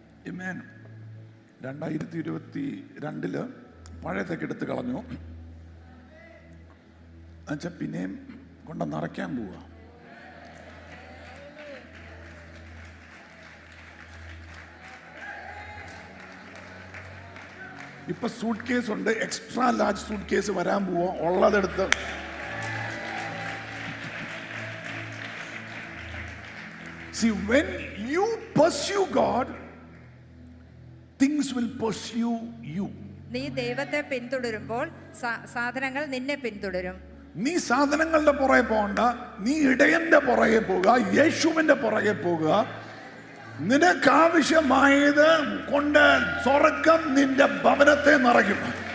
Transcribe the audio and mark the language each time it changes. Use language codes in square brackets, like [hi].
[ml] ഇമേൻ 2022 പഴയതൊക്കെ എടുത്തു കളഞ്ഞു, എന്നുവെച്ചാൽ പിന്നെയും കൊണ്ട് നടക്കാൻ പോവുക. ഇപ്പൊ സൂട്ട് കേസ് ഉണ്ട്, എക്സ്ട്രാ ലാർജ് സൂട്ട് കേസ് വരാൻ പോവാ ഉള്ളതെടുത്ത്. [en] See, when you pursue God, things will pursue you. [ml] നീ ദൈവത്തെ പിന്തുടരുമ്പോൾ സാധനങ്ങൾ നിന്നെ പിന്തുടരും. നീ സാധനങ്ങളുടെ പുറകെ പോകണ്ട, നീ ഇടയന്റെ പുറകെ പോവുക, യേശുവിന്റെ പുറകെ പോവുക. നിനക്കാവശ്യമായത് കൊണ്ട് സ്വർഗം നിന്റെ ഭവനത്തെ നിറയ്ക്കും.